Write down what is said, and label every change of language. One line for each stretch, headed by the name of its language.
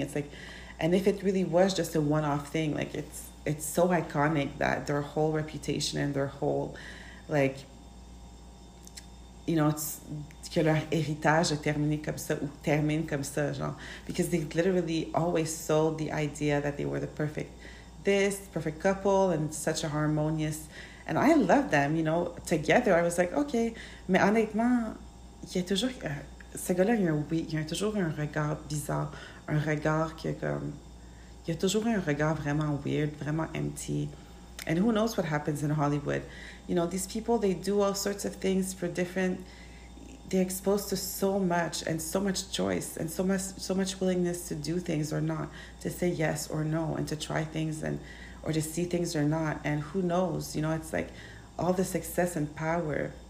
English: It's like, and if it really was just a one-off thing, like, it's so iconic that their whole reputation and their whole, like, you know, it's,
French: que leur héritage est terminé comme ça, ou termine comme ça, genre,
English: because they literally always sold the idea that they were the perfect, this perfect couple and such a harmonious, and I love them, you know, together. I was like, okay,
French: mais honnêtement, il y a toujours ce gars-là, il y a toujours un regard bizarre, un regard qui est comme, il y a toujours un regard vraiment weird, vraiment empty.
English: And who knows what happens in Hollywood? You know, these people, they do all sorts of things for different. They're exposed to so much and so much choice and so much willingness to do things or not, to say yes or no, and to try things and or to see things or not. And who knows, you know, it's like all the success and power.